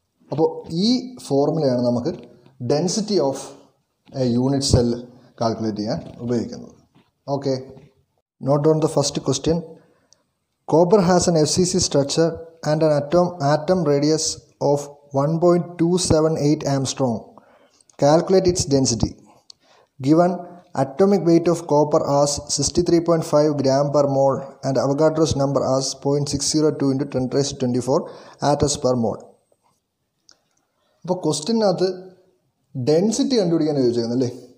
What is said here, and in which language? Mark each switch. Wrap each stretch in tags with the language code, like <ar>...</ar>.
<ml>അപ്പോൾ ഈ ഫോർമുലയാണ് നമുക്ക്</ml> <en>density of a unit cell</en> <ml>calculate ചെയ്യാൻ ഉപയോഗിക്കുന്നത്.</ml> <en>Okay, note down the first question. Copper has an F C C structure and an atom radius of 1.278 angstrom. Calculate its density. Given atomic weight of copper as 63.5 g/mol and Avogadro's number as 0.602 × 10⁴ atoms/mol.</en> <ml>അപ്പോൾ ക്വസ്റ്റ്യനകത്ത് density കണ്ടുപിടിക്കാൻ ചോദിച്ചേക്കുന്നല്ലേ.</ml>